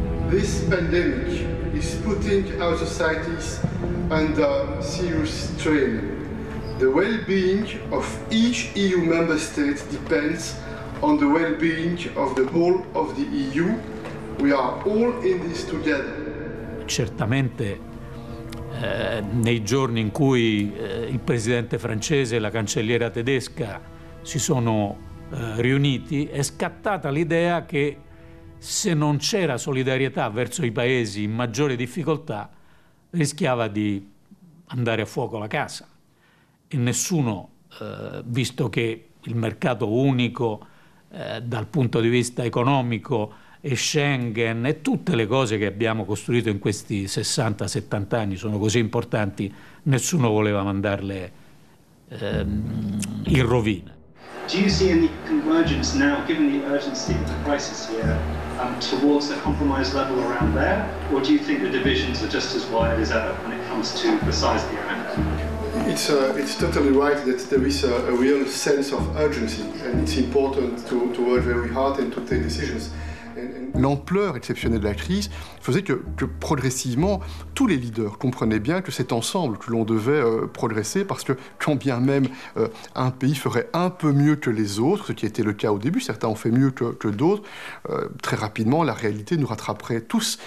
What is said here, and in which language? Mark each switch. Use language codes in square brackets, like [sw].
[en] This pandemic is putting our societies under serious strain. The well-being of each EU member state depends on the well-being of the whole of the EU. We are all in this together. [it] Certamente, nei giorni in cui il presidente francese e la cancelliera tedesca si sono riuniti, è scattata l'idea che se non c'era solidarietà verso i paesi in maggiore difficoltà, rischiava di andare a fuoco la casa. E nessuno, visto che il mercato unico dal punto di vista economico e Schengen e tutte le cose che abbiamo costruito in questi 60-70 anni sono così importanti, nessuno voleva mandarle in rovina. [en] Do you see any convergence now, given the urgency of the crisis here, towards a compromise level around there? Or do you think the divisions are just as wide as ever when it comes to the size of the island? It's totally right that there is a real sense of urgency, and it's important to work very hard and to take decisions. [fr] L'ampleur exceptionnelle de la crise faisait que progressivement, tous les leaders comprenaient bien que c'est ensemble que l'on devait progresser, parce que quand bien même un pays ferait un peu mieux que les autres, ce qui était le cas au début, certains ont fait mieux que d'autres, très rapidement, la réalité nous rattraperait tous.